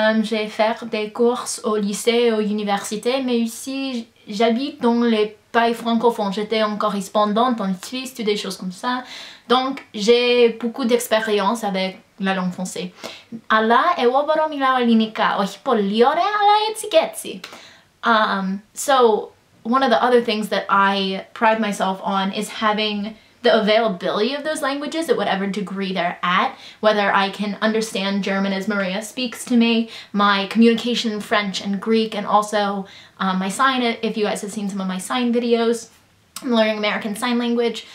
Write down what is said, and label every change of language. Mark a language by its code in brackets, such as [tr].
[fr] J'ai fait des cours au lycée et aux universités. Mais aussi, j'habite dans les pays francophones. J'étais en correspondante en Suisse, des choses comme ça. Donc, j'ai beaucoup d'expérience avec la langue française. [el] Αλλά εγώ μπορώ να μιλάω ελληνικά, όχι πολύ ωραία, αλλά έτσι και έτσι. [en] So, one of the other things that I pride myself on is having the availability of those languages at whatever degree they're at, whether I can understand German as Maria speaks to me, my communication in French and Greek, and also my sign, if you guys have seen some of my sign videos, I'm learning American Sign Language.